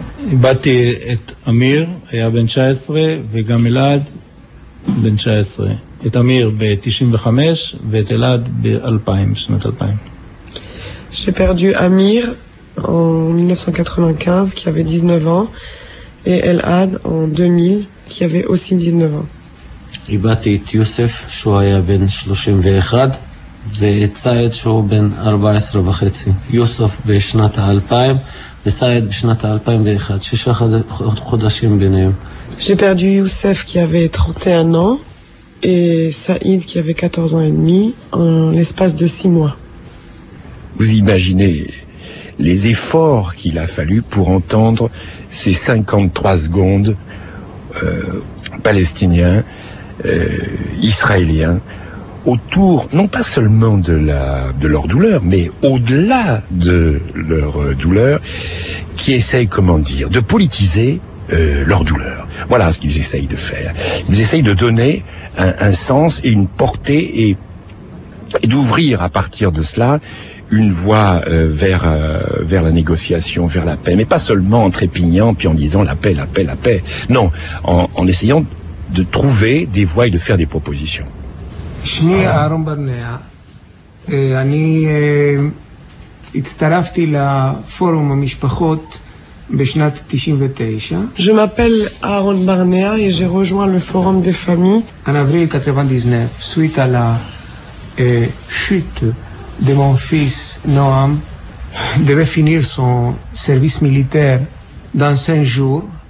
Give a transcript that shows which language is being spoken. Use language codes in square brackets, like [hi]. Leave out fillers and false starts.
[he] איבדתי את אמיר, היה בן 19, וגם אלעד בן 19. את אמיר ב-95 ואת אלעד ב-2000, שנת 2000. [fr] J'ai perdu Amir en 1995, qui avait 19 ans, et אלעד en 2000, qui avait aussi 19 ans. [he] איבדתי את יוסף, שהוא היה בן 31, ואת צייד, שהוא בן 14 וחצי. יוסף בשנת 2000, וסייד בשנת 2001, שישה חודשים ביניהם. [fr] J'ai perdu Youssef qui avait 31 ans et Saïd qui avait 14 ans et demi en l'espace de 6 mois. Vous imaginez les efforts qu'il a fallu pour entendre ces 53 secondes palestiniens, israéliens, autour, non pas seulement de leur douleur, mais au-delà de leur douleur, qui essayent, comment dire, de politiser leur douleur. Voilà ce qu'ils essayent de faire. Ils essayent de donner un sens et une portée et d'ouvrir à partir de cela une voie vers la négociation, vers la paix. Mais pas seulement en trépignant puis en disant la paix, la paix, la paix. Non, en essayant de trouver des voies et de faire des propositions. [he] שמי אהרון ברנע, אני הצטרפתי לפורום המשפחות בשנת 99. [fr] Je m'appelle Aaron Barnea et j'ai rejoint le forum des familles. En avril 99, suite à la chute de mon fils Noam, devait finir son service militaire dans 5 jours.